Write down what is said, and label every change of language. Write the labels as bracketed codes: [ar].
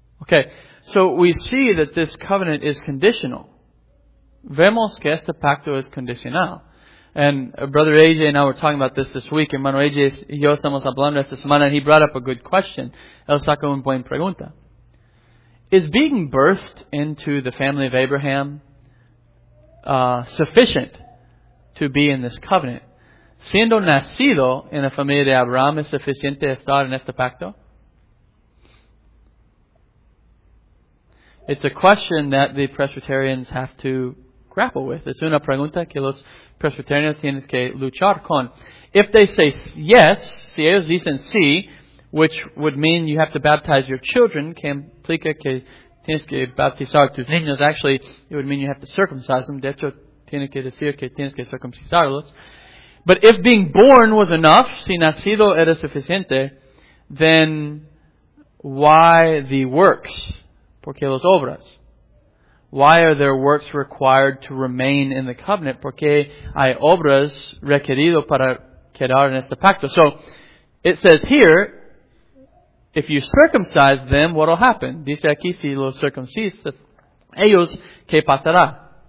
[en] Okay, so we see that this covenant is conditional. [es] Vemos que este pacto es condicional. [en] And Brother AJ and I were talking about this week. [es] Hermano AJ y yo estamos hablando esta semana. [en] And he brought up a good question. [es] Él sacó una buena pregunta. [en] Is being birthed into the family of Abraham sufficient to be in this covenant? [es] Siendo nacido en la familia de Abraham, ¿es suficiente estar en este pacto? [en] It's a question that the Presbyterians have to grapple with. [es] Es una pregunta que los Presbyterians tienen que luchar con. [en] If they say yes, [es] si ellos dicen sí, [en] which would mean you have to baptize your children, [es] que implica que tienes que bautizar tus niños. [en] Actually, it would mean you have to circumcise them. [es] De hecho, tiene que decir que tienes que circuncisarlos. [en] But if being born was enough, [es] si nacido era suficiente, [en] then why the works? [es] ¿Por qué las obras? [en] Why are there works required to remain in the covenant? [es] ¿Por qué hay obras requeridas para quedar en este pacto? [en] So, it says here, if you circumcise them, what will happen? [es] Dice aquí, si los circuncisas, ellos, ¿qué pasará?